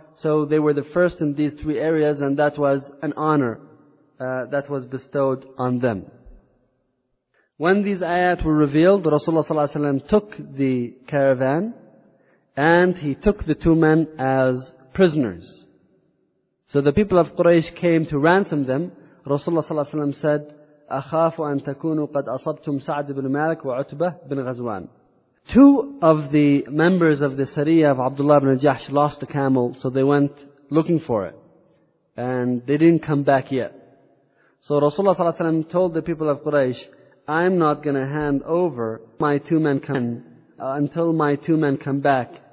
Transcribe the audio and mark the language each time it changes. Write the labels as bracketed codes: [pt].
[en] So they were the first in these three areas, and that was an honor that was bestowed on them. When these ayat were revealed, Rasulullah ﷺ took the caravan and he took the two men as prisoners. So the people of Quraysh came to ransom them. Rasulullah ﷺ said, [ar] أَخَافُ أَن تَكُونُوا قَدْ أَصَبْتُمْ سَعْدِ بْنُ مَالِكُ وَعُتْبَةُ بْنُ غَزْوَانُ. [en] Two of the members of the Sariyah of Abdullah ibn Jahsh lost a camel, so they went looking for it. And they didn't come back yet. So Rasulullah ﷺ told the people of Quraysh, I'm not going to hand over my two men until my two men come back